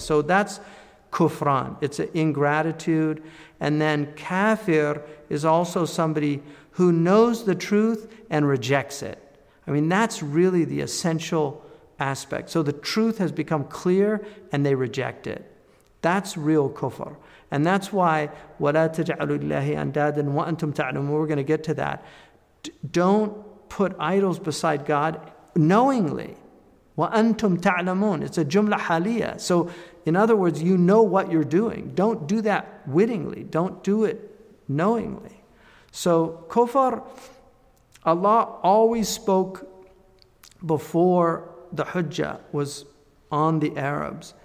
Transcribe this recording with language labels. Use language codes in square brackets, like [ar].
[en] So that's kufran. It's an ingratitude. And then kafir is also somebody who knows the truth and rejects it. I mean, that's really the essential aspect. So the truth has become clear and they reject it. That's real kufr. And that's why, [ar] وَلَا تَجْعَلُوا لِلَّهِ أَنْدَادًا وَأَنْتُمْ تَعْلَمُونَ. [en] We're going to get to that. Don't put idols beside God knowingly. [ar] وَأَنْتُمْ تَعْلَمُونَ. [en] It's a jumla haliyah. So, in other words, you know what you're doing. Don't do that wittingly. Don't do it knowingly. So, kufr, Allah always spoke before the hujjah was on the Arabs.